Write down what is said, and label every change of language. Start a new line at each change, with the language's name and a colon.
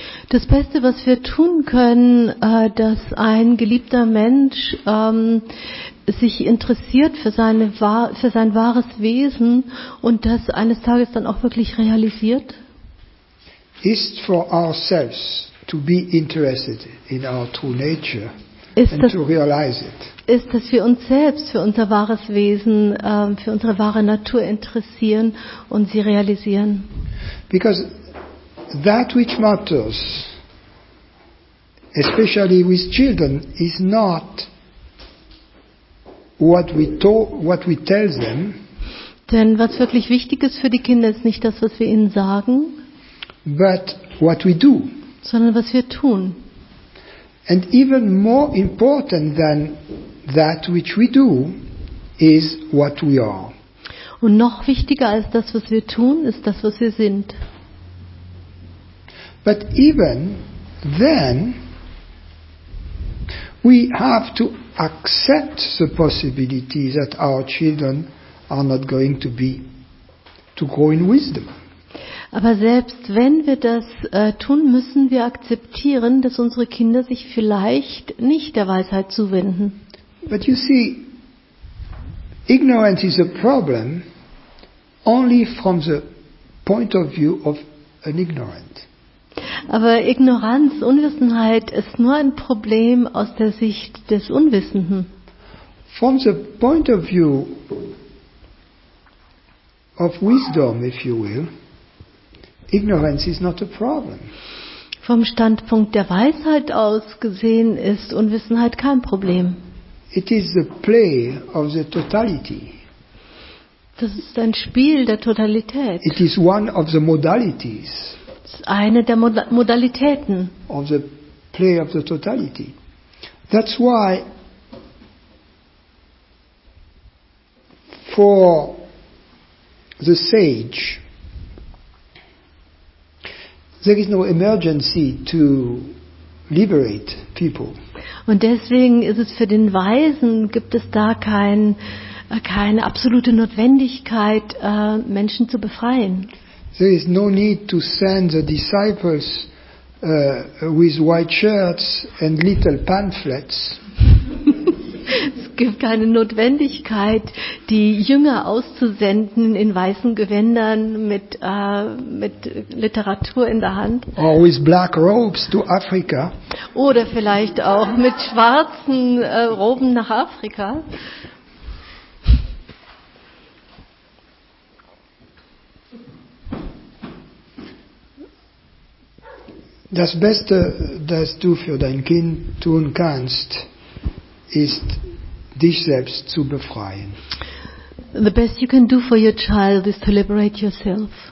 German: Das Beste, was wir tun können, dass ein geliebter Mensch sich interessiert für sein wahres Wesen und das eines Tages dann auch wirklich realisiert,
English: ist for ourselves to be interested in our true nature.
German: Ist, dass wir uns selbst für unser wahres Wesen, für unsere wahre Natur interessieren und sie realisieren.
English: Because that which matters, especially with children, is not what we tell them.
German: Denn was wirklich wichtig ist für die Kinder, ist nicht das, was wir ihnen sagen,
English: but what we do.
German: Sondern was wir tun.
English: And even more important than that which we do is what we are.
German: Und noch wichtiger als das, was wir tun, ist das, was wir sind.
English: But even then, we have to accept the possibility that our children are not going to be to grow in wisdom.
German: Aber selbst wenn wir das tun, müssen wir akzeptieren, dass unsere Kinder sich vielleicht nicht der Weisheit zuwenden.
English: But you see, ignorance is a problem only from the point of view of an ignorant.
German: Aber Ignoranz, Unwissenheit ist nur ein Problem aus der Sicht des Unwissenden.
English: From the point of view of wisdom, if you will, ignorance is not a problem.
German: Vom Standpunkt der Weisheit aus gesehen ist Unwissenheit kein Problem.
English: It is the play of the totality.
German: Das ist ein Spiel der Totalität.
English: It is one of the modalities.
German: Es ist eine der Modalitäten.
English: Of the play of the totality. That's why for the sage, there is no emergency to liberate people.
German: Und deswegen ist es für den Weisen, gibt es da keine absolute Notwendigkeit, Menschen zu befreien.
English: There is no need to send the disciples with white shirts and little pamphlets.
German: Es gibt keine Notwendigkeit, die Jünger auszusenden in weißen Gewändern mit Literatur in der Hand.
English: Or with black robes to Africa.
German: Oder vielleicht auch mit schwarzen Roben nach Afrika. Das Beste, das du für dein Kind tun kannst, ist, dich selbst zu befreien.
English: The best you can do for your child is to liberate yourself.